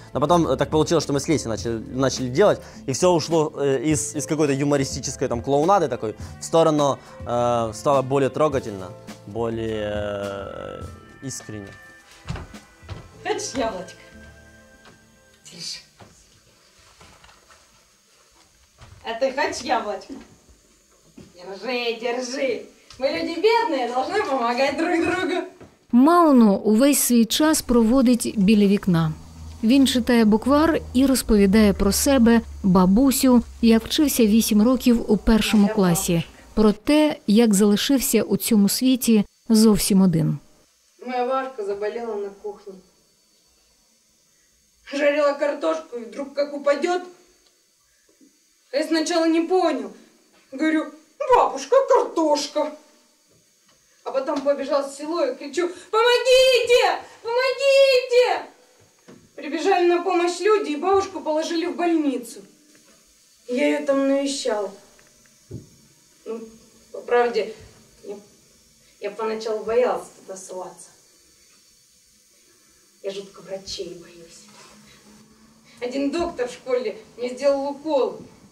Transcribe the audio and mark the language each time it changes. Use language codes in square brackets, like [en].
[ru] Но потом так получилось, что мы с Лесей начали делать. И все ушло из какой-то юмористической там клоунады такой в сторону стало более трогательно, более искренне. Хочешь яблочко? Тише. А ты хочешь яблочко? Держи, держи. Мы люди бедные, должны помогать друг другу. [uk] Мауно увесь свій час проводить біля вікна. Він читає буквар і розповідає про себе, бабусю, як вчився 8 років у першому класі. Про те, як залишився у цьому світі зовсім один. Моя важка заболела на кухні. Жарила картошку, і вдруг як упаде. Я спочатку не зрозумів. [ru] Говорю, бабушка, картошка. [uk] А потім побіжав в село і кричу, [ru] помогите, помогите. Прибежали на помощь люди, і бабушку положили в больницу. Я ее там навещала. Ну, по правде, я поначалу боялась туда соваться. Я жутко врачей боюсь. Один доктор в школе мне сделал укол.